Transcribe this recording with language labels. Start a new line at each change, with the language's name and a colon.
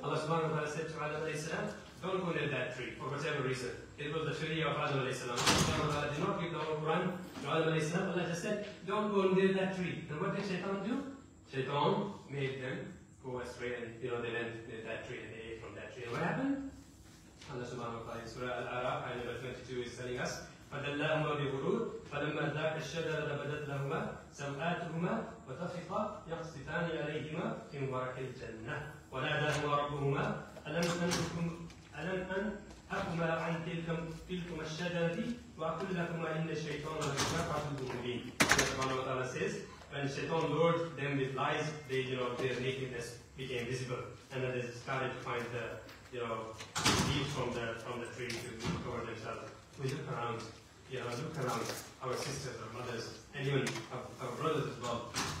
English: Allah subhanahu wa ta'ala said to Adam alayhi salam, don't go near that tree, for whatever reason. It was the sharia of Adam alayhi salam. Allah subhanahu wa ta'ala did not give the whole Quran to Adam alayhi salam. Allah just said, don't go near that tree. And what did Shaitan do? Shaitan made them go astray, and you know, they went near that tree and they ate from that tree. And what happened? Allah subhanahu wa ta'ala in Surah Al-Araf, ayah number 22, is telling us,
Arabic: فَدَلَّهُمَا بِغُرُورٍ فَلَمَّا ذَاقَ الشَّجَرَةَ بَدَتْ لَهُمَا سَوْآتُهُمَا وَطَفِقَا يَخْصِفَانِ عَلَيْهِمَا فِي وَرَقِ الْجَنَّةِ وَنَادَاهُمَا رَبُّهُمَا أَلَمْ أَنْهَكُمَا عَنْ تِلْكُمَا الشَّجَرَةِ وَأَقُلْ لَكُمَا إِنَّ الشَّيْطَانَ لَكُمَا عَدُوٌّ مُبِينٌ.
English: Allah subhanahu wa ta'ala says, when Shaitan lured them with lies, they, you know, their nakedness became visible, and then they started to find the, you know, leaves from the tree to cover themselves. We look around, you know, look around our sisters, our mothers, and even our brothers as well.